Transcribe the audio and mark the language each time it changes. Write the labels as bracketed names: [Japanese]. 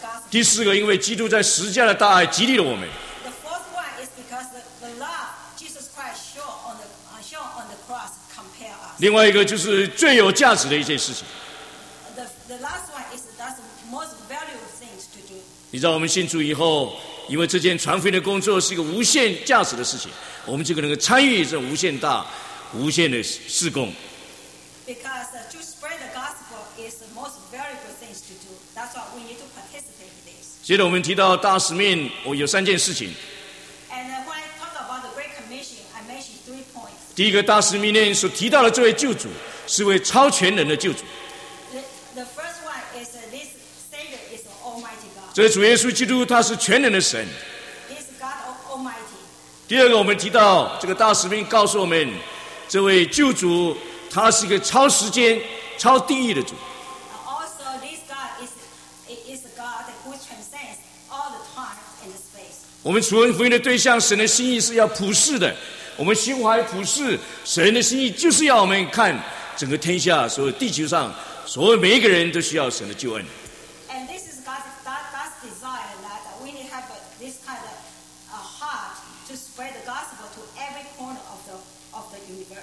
[Chinese] 第四个，因为基督在十字架的大爱激励了我们。 [English] The fourth one is because the love Jesus Christ shown on the cross compels us. [Chinese] 另外一个就是最有价值的一件事情。 [English] The last one is that's the most valuable things to do. [Chinese] 你知道我们信主以后，因为这件传福音的工作是一个无限价值的事情，我们就能够参与这无限大、无限的事工。 [English] Because to spread the gospel is the most valuable things to do. That's why we need to participate in this. [Chinese] 接着我们提到大使命，我有三件事情。 [English] And when I talk about the Great Commission, I mentioned three points. [Chinese] 第一个，大使命所提到的这位救主是位超全能的救主。 [English] The first one is this Savior is Almighty God. [Chinese] 这主耶稣基督他是全能的神。 [English] He's God Almighty. [Chinese] 第二个，我们提到这个大使命告诉我们，这位救主他是一个超时间、超地域的主。 [English] Also, this God is a God who transcends all the time and space. [Chinese] 我们传福音的对象，神的心意是要普世的。我们心怀普世，神的心意就是要我们看整个天下，所有地球上所有每一个人都需要神的救恩。 [English] And this is God's desire that we need to have this kind of heart to spread the gospel to every corner of the universe.